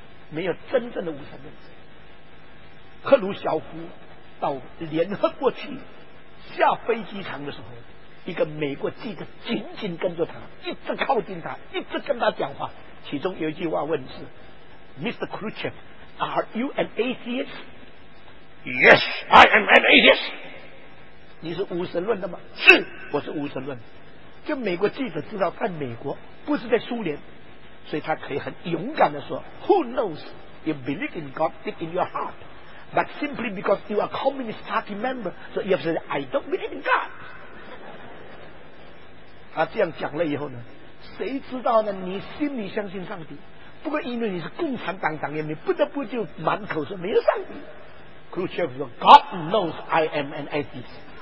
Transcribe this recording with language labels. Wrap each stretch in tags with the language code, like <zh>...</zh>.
<zh>没有真正的无神论。赫鲁晓夫到联合国去，下飞机场的时候，一个美国记者紧紧跟着他，一直靠近他，一直跟他讲话。其中有一句话问是 Mr.</zh> <en>Khrushchev, are you an atheist? Yes, I am an atheist.</en> <zh>你是无神论的吗？是，我是无神论。就美国记者知道在美国，不是在苏联，所以他可以很勇敢的说</zh> <en>Who knows? You believe in God deep in your heart. But simply because you are Communist Party member, so you have said, I don't believe in God.</en> <zh>他这样讲了以后呢，谁知道呢？你心里相信上帝，不过因为你是共产党党员，你不得不就满口说没有上帝。</zh> <en>Khrushchev 说 ，God knows I am an atheist.</en>